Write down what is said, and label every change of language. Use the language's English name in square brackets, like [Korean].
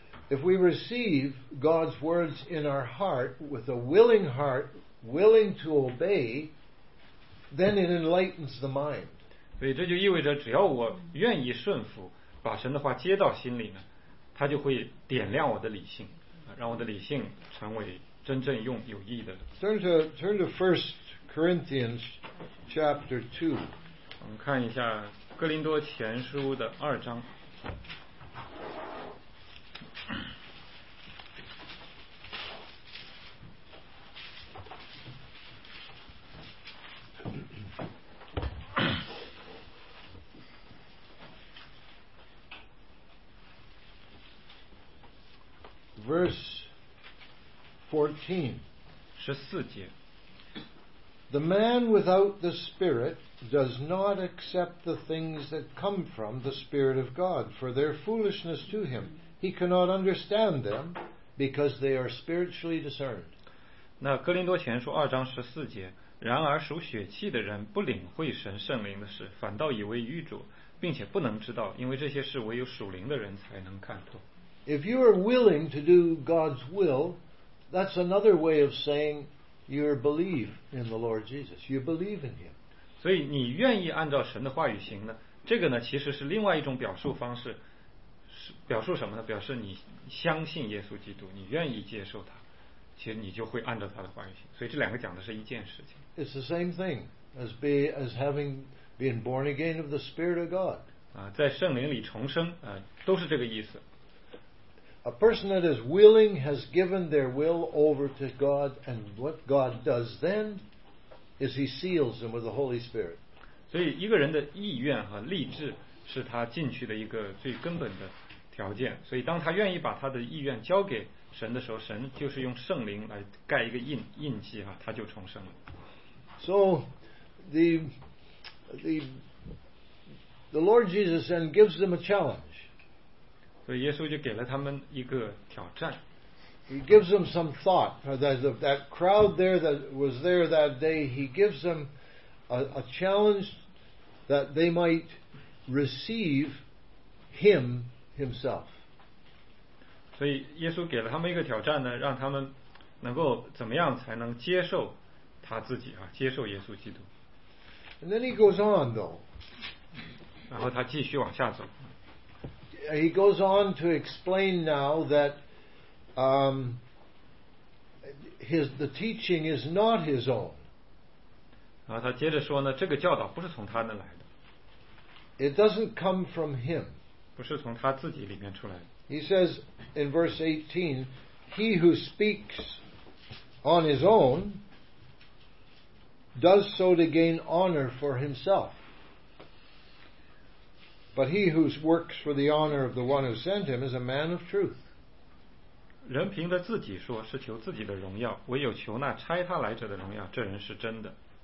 [English] If we receive God's words in our heart with a willing heart, willing to obey, then it enlightens the mind. [Chinese] 所以这就意味着，只要我愿意顺服，把神的话接到心里呢，它就会点亮我的理性，让我的理性成为真正用有益的。 [English] Turn to 1 Corinthians chapter 2. [Chinese] 我们看一下哥林多前书的二章。 [English] verse 14. [Chinese] 14节。 [English] The man without the Spirit does not accept the things that come from the Spirit of God, for their foolishness to him. He cannot understand them because they are spiritually discerned. [Chinese] 那哥林多前书二章十四节，然而属血气的人不领会神圣灵的事，反倒以为愚拙，并且不能知道，因为这些事唯有属灵的人才能看透。 [English] If you are willing to do God's will, that's another way of saying you believe in the Lord Jesus. You believe in Him. [Chinese] 所以你愿意按照神的话语行呢？这个呢，其实是另外一种表述方式，表述什么呢？表示你相信耶稣基督，你愿意接受他。其实你就会按照他的话语行，所以这两个讲的是一件事情。 [English] It's the same thing as having been born again of the Spirit of God. [Chinese] 啊，在圣灵里重生，都是这个意思。 [English] A person that is willing has given their will over to God, and what God does then is He seals them with the Holy Spirit. [Chinese] 所以一个人的意愿和立志是他进去的一个最根本的条件。所以当他愿意把他的意愿交给神的时候，神就是用圣灵来盖一个印记啊，他就重生了。 [English] So the Lord Jesus then gives them a challenge. [Chinese] 所以耶稣就给了他们一个挑战。 [English] He gives them some thought. That crowd there that was there that day, he gives them a challenge that they might receive him himself. [Chinese] 所以耶稣给了他们一个挑战呢，让他们能够怎么样才能接受他自己啊，接受耶稣基督。 [English] And then he goes on though. [Chinese] 然后他继续往下走。 [English] He goes on to explain now that the teaching is not his own. [Chinese] 然后他接着说呢，这个教导不是从他那来的。 [English] It doesn't come from him. [Chinese] 不是从他自己里面出来的。 [English] He says in verse 18, he who speaks on his own does so to gain honor for himself. But he who works for the honor of the one who sent him is a man of truth. [Chinese] 人凭着自己说是求自己的荣耀，唯有求那差他来者的荣耀，这人是真的。